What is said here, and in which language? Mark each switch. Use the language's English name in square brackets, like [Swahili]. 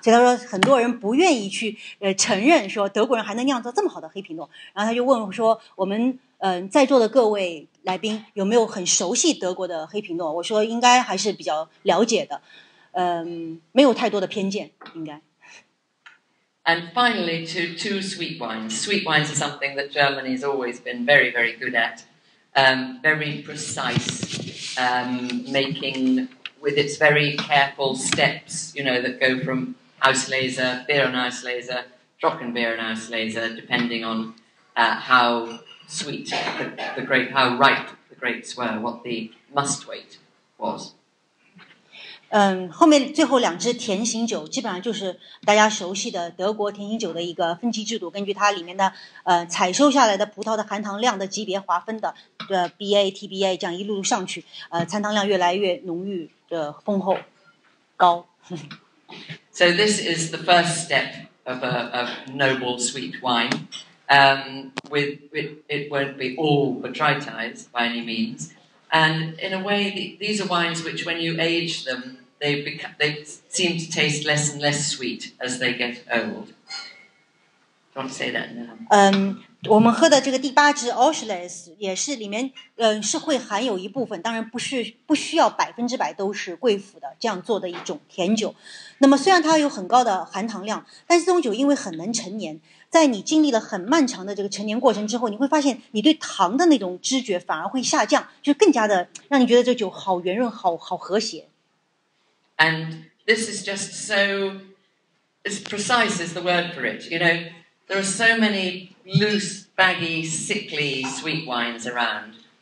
[Chinese] 所以他说很多人不愿意去承认说德国人还能酿造这么好的黑皮诺。然后他就问我说，我们在座的各位来宾有没有很熟悉德国的黑皮诺，我说应该还是比较了解的，没有太多的偏见应该。 [English] And finally, to two sweet wines. Sweet wines are something that Germany has always been very, very good at. Very precise, making with its very careful steps, you know, that go from Auslese, Bärenauslese, Trockenbärenauslese, depending on how sweet the grape, how ripe the grapes were, what the must weight was. [Chinese] 后面最后两支甜型酒基本上就是大家熟悉的德国甜型酒的一个分级制度，根据它里面的采收下来的葡萄的含糖量的级别划分的，BA TBA 这样一路上去，残糖量越来越浓郁的丰厚高。 [English] So this is the first step of a noble sweet wine. It won't be all botrytized by any means. And in a way, these are wines which, when you age them, they seem to taste less and less sweet as they get old. Do you want to say that now? [Chinese] 我们喝的这个第八支 Auslese 也是里面，是会含有一部分，当然不需要100%都是贵腐的这样做的一种甜酒。那么虽然它有很高的含糖量，但是这种酒因为很能陈年，在你经历了很漫长的这个陈年过程之后，你会发现你对糖的那种知觉反而会下降，就更加的让你觉得这酒好圆润，好和谐。 [English] And this is just so as precise as the word for it. You know, there are so many. Loose, baggy, sickly, sweet wines around.